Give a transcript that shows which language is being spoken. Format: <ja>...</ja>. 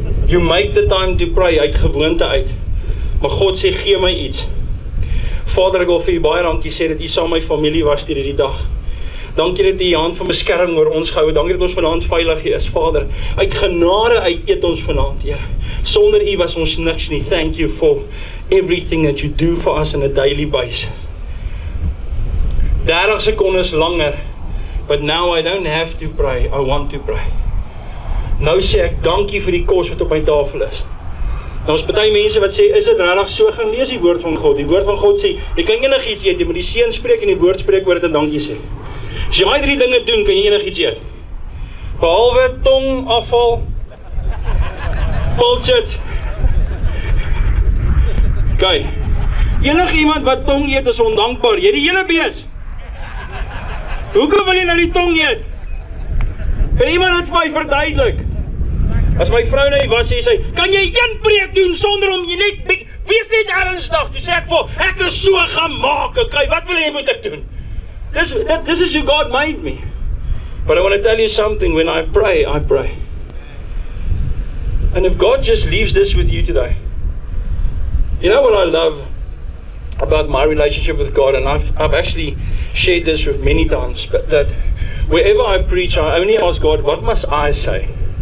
<en>You make the time to pray</en> <af>uit gewoonte uit. Maar God sê, gee my iets. Vader, ek wil vir u baie dankie sê dat u saam my familie was hierdie dag. Dankie dat u hand van beskerming oor ons gehou het. Dankie dat ons vanaand veilig is, Vader. Uit genade uit eet ons vanaand, Heer. Sonder u was ons niks nie.</af> <en>Thank you for everything that you do for us on a daily basis.</en> <af>30 sekondes langer.</af> <en>But now I don't have to pray. I want to pray.</en> <af>Nou sê ek dankie vir die kos wat op my tafel is. Nou is party mense wat sê, is dit regtig so? Gaan lees die woord van God. Die woord van God sê, jy kan enigiets eet, jy moet die seën spreek en die woord spreek oor dit en dankie sê. As jy drie dinge doen, kan jy enigiets eet. Behalwe tong afval, bullshit. Kyk, enige iemand wat tong eet is ondankbaar. Jy die hele bees. Hoekom wil jy nou die tong eet? Kan iemand het vir my verduidelik? As my vrou nou was, sê sy, kan jy een preek doen sonder om jy net, wees net ernstig, toe sê ek vir, ek is so gemaak, kry, wat wil jy moet ek doen?</af> <en>This is who God made me. But I want to tell you something, when I pray, I pray. And if God just leaves this with you today, you know what I love about my relationship with God, and I've actually shared this with many times, but that wherever I preach, I only ask God, what must I say?</en>